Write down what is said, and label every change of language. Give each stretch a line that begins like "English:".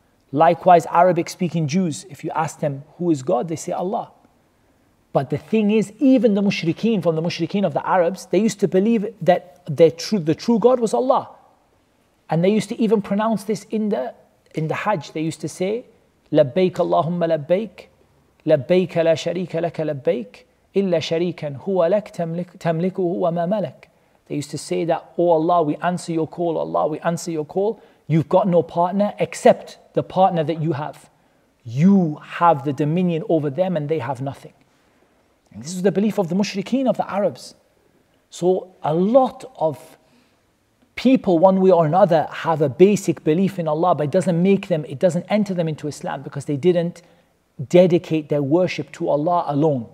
English: Likewise, Arabic-speaking Jews, if you ask them who is God, they say Allah. But the thing is, even the mushrikeen, from the mushrikeen of the Arabs, they used to believe that the true God was Allah. And they used to even pronounce this in the Hajj. They used to say,
Arabic: لبيك اللهم لبيك لبيك لا شريك لك لبيك إلا شريكا هو لك تملكه وما ملك.
English: They used to say that, oh Allah, we answer your call, Allah, we answer your call. You've got no partner except the partner that you have. You have the dominion over them and they have nothing. And this is the belief of the mushrikeen, of the Arabs. So a lot of people, one way or another, have a basic belief in Allah, but it doesn't enter them into Islam because they didn't dedicate their worship to Allah alone.